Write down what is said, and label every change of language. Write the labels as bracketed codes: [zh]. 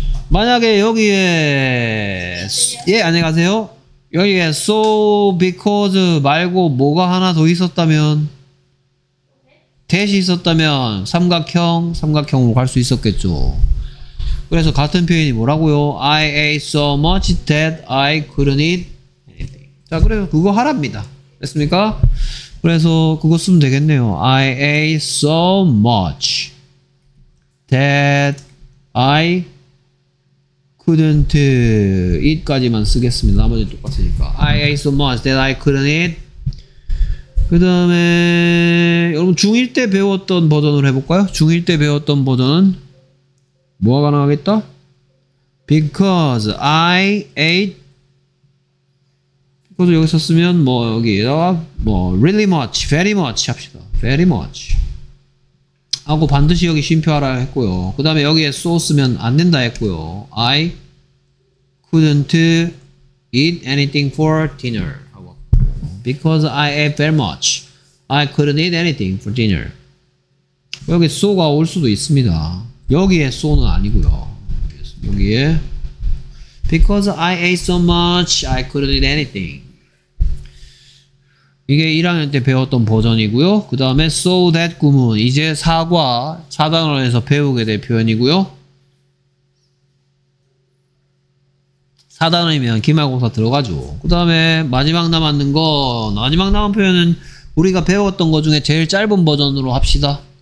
[ko] 만약에 여기에 예, 안녕하세요. 여기에 so because 말고 뭐가 하나 더 있었다면 대시 있었다면 삼각형, 삼각형으로 갈 수 있었겠죠. 그래서 같은 표현이 뭐라고요? [en] I ate so much that I couldn't eat anything. [ko] 자, 그래서 그거 하랍니다. 됐습니까? 그래서 그거 쓰면 되겠네요. [en] I ate so much that I couldn't eat [ko] 까지만 쓰겠습니다. 나머지는 똑같으니까. [en] I ate so much that I couldn't eat. [ko] 그 다음에 여러분 중1 때 배웠던 버전을 해볼까요? 중1 때 배웠던 버전은 뭐가 가능하겠다? [en] Because I ate, [ko] 그것도 여기 썼으면 뭐 여기다가 뭐 [en] really much, very much [ko] 합시다. very much 하고 반드시 여기 쉼표하라 했고요. 그 다음에 여기에 so 쓰면 안 된다 했고요. [en] I couldn't eat anything for dinner. Because I ate very much, I couldn't eat anything for dinner. [ko] 여기 so가 올 수도 있습니다. 여기에 so는 아니고요. 여기에 [en] Because I ate so much, I couldn't eat anything. [ko] 이게 1학년 때 배웠던 버전이고요. 그 다음에 so that 구문, 이제 사과 4단원에서 배우게 될 표현이고요. 4단원이면 기말고사 들어가죠. 그 다음에 마지막 남았는 거, 마지막 남은 표현은 우리가 배웠던 것 중에 제일 짧은 버전으로 합시다.